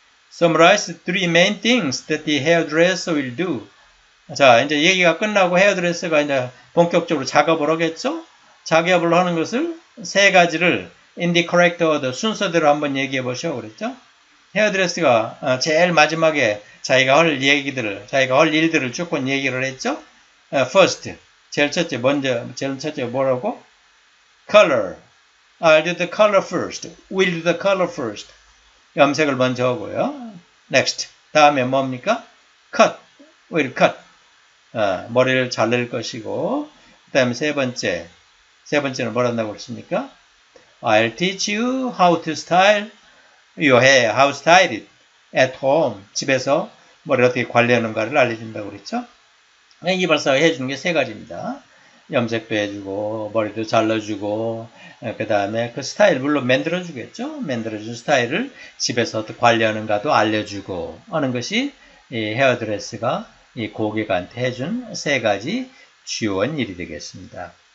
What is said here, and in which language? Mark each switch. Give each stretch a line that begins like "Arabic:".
English: Summarize three main things that the hairdresser will do.
Korean: 자, 이제 얘기가 끝나고 헤어드레서가 이제 본격적으로 작업을 하겠죠? 작업을 하는 것을 세 가지를
English: in the correct order
Korean: 순서대로 한번 얘기해 보시오 그랬죠? 헤어드레서가 제일 마지막에 자기가 할 일들을 조금 얘기를 했죠? First, 제일 첫째 뭐라고? Color.
English: I'll do the color first. We'll do the color first.
Korean: 염색을 먼저 하고요.
English: Next.
Korean: 다음에 뭡니까?
English: Cut. We'll cut.
Korean: 머리를 자를 것이고, 그다음에 세 번째는 뭐라고 했습니까?
English: I'll teach you how to style your hair, how to style it at home.
Korean: 집에서 머리를 어떻게 관리하는가를 알려준다고 그랬죠? 이 발사가 해주는 게세 가지입니다. 염색도 해주고, 머리도 잘라주고, 그다음에 그 스타일 물론 만들어주겠죠? 만들어준 스타일을 집에서 어떻게 관리하는가도 알려주고 하는 것이 이 헤어드레스가 이 고객한테 해준 세 가지 주요한 일이 되겠습니다.